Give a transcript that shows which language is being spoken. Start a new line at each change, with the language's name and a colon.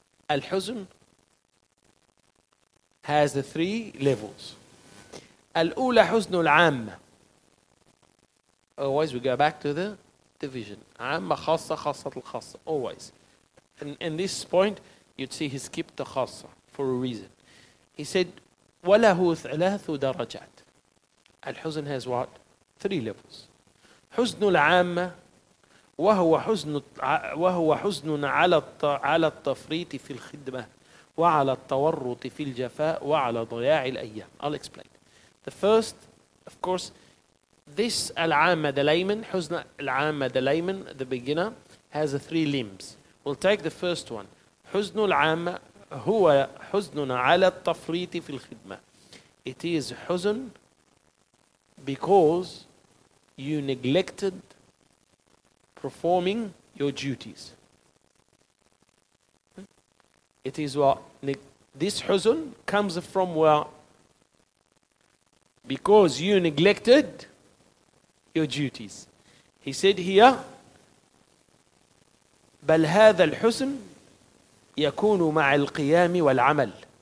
English: الحزن has the three levels.
Arabic: الأولى حزن العامة.
English: Always we go back to the division.
Arabic: عامة خاصة خاصة الخاصة. Always.
English: And in this point, you'd see he skipped the خاصة for a reason. He said,
Arabic: وله ثلاث درجات.
English: الحزن has what? Three levels.
Arabic: حزن العامة وهو حزن على التفريط في الخدمة وعلى التورط في الجفاء وعلى ضياع الأيام.
English: I'll explain. The first, of course, this العامة the layman, حزن العامة the layman, the beginner, has three limbs. We'll take the first one.
Arabic: حزن العامة هو حزن على التفريط في الخدمة.
English: It is حزن because you neglected performing your duties. It is what? This حزن comes from where? Because you neglected your duties. He said here,
Arabic: بل هذا الحزن يكون مع القيام والعمل.